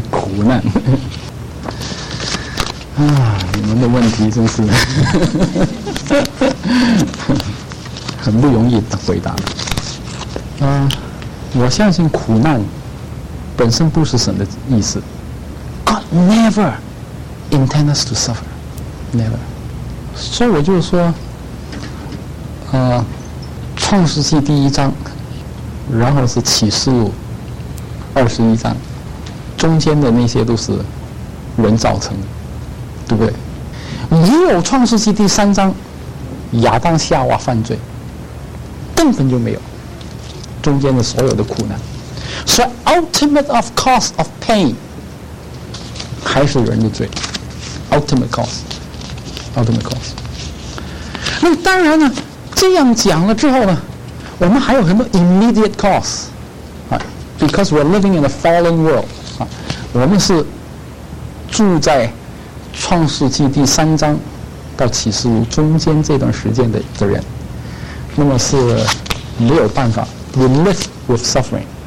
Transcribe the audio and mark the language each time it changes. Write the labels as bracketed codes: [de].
[zh] 苦难啊，你们的问题真是很不容易回答。我相信苦难本身不是神的意思。 [en] God never intend us to suffer, never. [zh] 所以我就说创世纪第一章，然后是启示录21章，中间的那些都是人造成的，对不对？没有创世纪第三章亚当夏娃犯罪，根本就没有中间的所有的苦难。所以 [en] ultimate of cause of pain [zh] 还是人的罪， [en] ultimate cause。 [zh] 那当然呢，这样讲了之后呢，我们还有很多 immediate cause、 [en] because we're living in a fallen world、 [zh] 我们是住在创世纪第三章到启示录中间这段时间的人，那么是没有办法 [en] we live with suffering。